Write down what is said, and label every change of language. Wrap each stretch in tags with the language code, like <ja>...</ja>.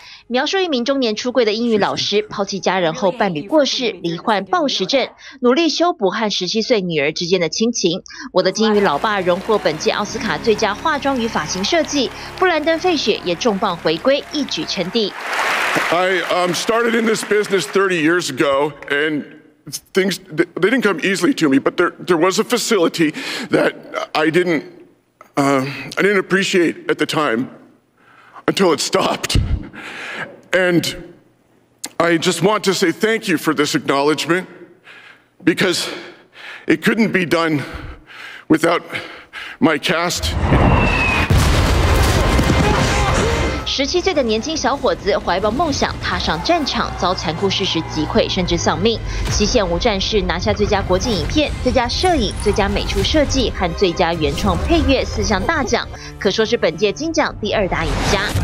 <zh>描述一名中年出柜的英语老师，抛弃家人后伴侣过世，罹患暴食症，努力修补和17岁女儿之间的亲情。我的金鱼老爸荣获本届奥斯卡最佳化妆与发型设计，布兰登·费雪也重磅回归，一举称帝。</zh> <en>I started in this business 30 years ago, and things they didn't come easily to me. But there was a facility that I didn't appreciate at the time until it stopped. And I just want to say thank you for this acknowledgement, because it couldn't be done without my cast.</en> <zh>17岁的年轻小伙子怀抱梦想踏上战场，遭残酷事实击溃，甚至丧命。 《西线无战事》拿下最佳国际影片、最佳摄影、最佳美术设计和最佳原创配乐4项大奖，可说是本届金奖第二大赢家。</zh>